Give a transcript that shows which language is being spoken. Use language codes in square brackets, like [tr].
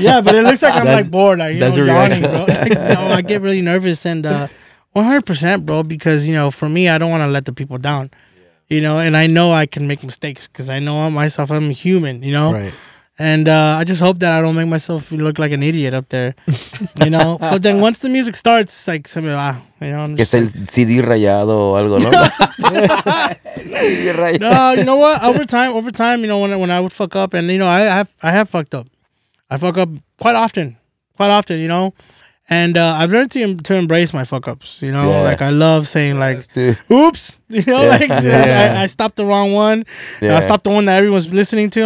[en] Yeah, but it looks like I'm like bored. Like, you that's know, yawning, reaction. Bro. Like, you know, I get really nervous and 100%, bro, because, you know, for me, I don't want to let the people down, yeah. You know, and I know I can make mistakes because I know myself, I'm human, you know, right. And I just hope that I don't make myself look like an idiot up there, you know, but then once the music starts, it's like, [es] se me va, [en] you know. [es] Que es el CD rayado o algo, ¿no? [en] No, you know what, over time, you know, when I would fuck up, and, you know, I have fucked up, I fuck up quite often, you know. And I've learned to embrace my fuck ups, you know. Yeah. Like I love saying like, "Oops," you know. Yeah. Like yeah. I stopped the wrong one. Yeah. I stopped the one that everyone's listening to.